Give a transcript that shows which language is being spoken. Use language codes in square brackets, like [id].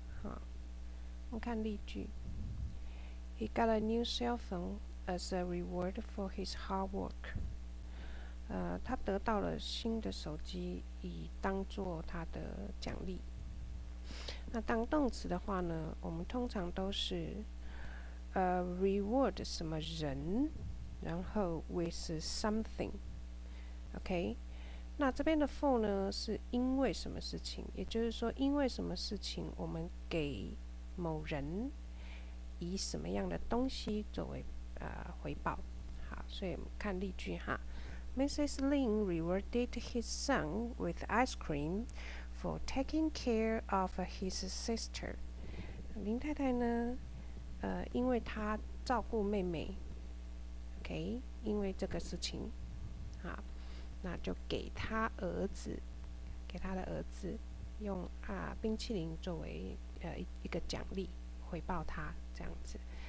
[zh] 哈，我看例句 [en] ：He got a new cell phone as a reward for his hard work。 [zh] 他得到了新的手机，以当作他的奖励。那当动词的话呢，我们通常都是reward 什么人，然后 [en] with something。 [zh] OK， 那这边的 for 呢是因为什么事情，也就是说因为什么事情我们给某人以什么样的东西作为回报。好，所以我们看例句哈。 [en] Mrs. Lin rewarded his son with ice cream for taking care of his sister. [zh] 林太太呢，因为她照顾妹妹 ，OK， 因为这个事情，啊，那就给他的儿子用冰淇淋作为一个奖励回报他这样子。